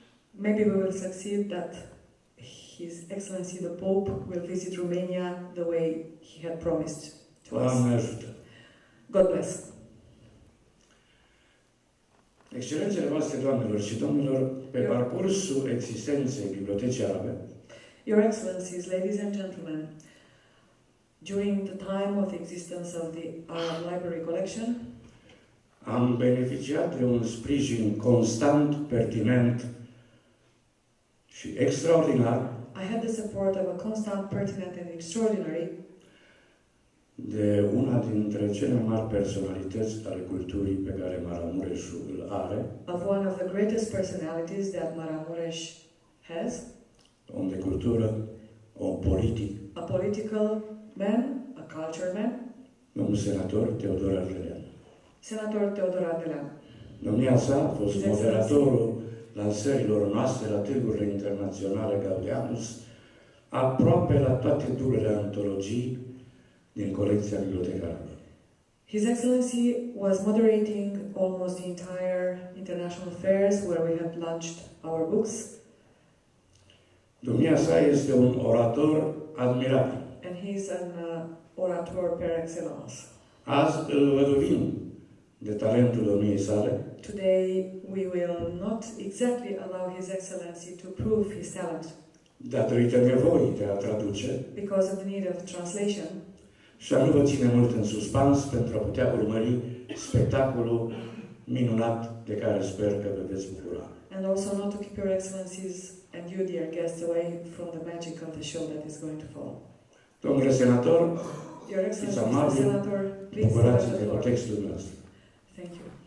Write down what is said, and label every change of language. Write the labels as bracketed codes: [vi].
[en] Maybe we will succeed that His Excellency the Pope will visit Romania the way he had promised to us. [ro] Doamne ajută. [en] God bless. [ro] Excelențele voastre, doamnelor și domnilor, pe parcursul existenței Bibliotecii Arabe. [en] Your Excellencies, ladies and gentlemen, during the time of the existence of the Arab Library Collection, [ro] am beneficiat de un sprijin constant, pertinent și extraordinar. [en] I had the support of a constant, pertinent and extraordinary [ro] de una dintre cele mari personalități ale culturii pe care Maramureșul îl are. [en] Of one of the greatest personalities that Maramureș has. [ro] Om de cultură, om politic. [en] A political man, a culture man. [ro] Domnul senator Teodor Ardelean. [en] Senator Teodor Ardelean. [ro] Domnia sa a fost moderatorul lansărilor noastre la târgurile internaționale Gaudeamus, aproape la toate turele antologii din colecția bibliotecară. [en] His Excellency was moderating almost the entire international fairs where we have launched our books. [ro] Domnia sa este un orator admirabil. [en] And he is an orator per excellence. [ro] Azi îl vădovim de talentul domniei sale. [en] Today we will not exactly allow His Excellency to prove his talent. [ro] Datorită nevoii de a traduce. [en] Because of the need of translation. [ro] Și nu vă ține mult în suspans pentru a putea urmări spectacolul minunat de care sper că vă veți bucura. [en] And also not to keep your excellencies and you, dear guests, away from the magic of the show that is going to fall. [ro] Domnule senator, [en] your excellency, Mr. Senator, please [ro] bucurați-vă de textul nostru. [en] Thank you.